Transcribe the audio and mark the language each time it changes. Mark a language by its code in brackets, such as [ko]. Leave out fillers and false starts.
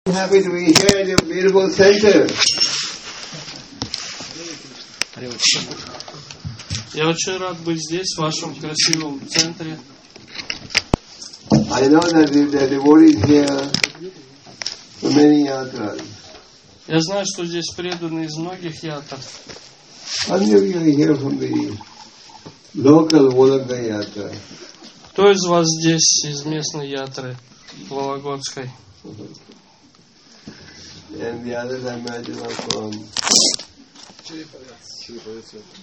[en] happy to be here at your beautiful center. [ru] Я очень рад быть здесь, в вашем красивом центре. [en] I know that the devotees here many yatras. [ru] Я знаю, что здесь преданные из многих ятр. [en] And you are here from the local Вологда yatra. [ru] Кто из вас здесь из местной ятры Вологодской? [en] And the others, I imagine, are from Черепаяц.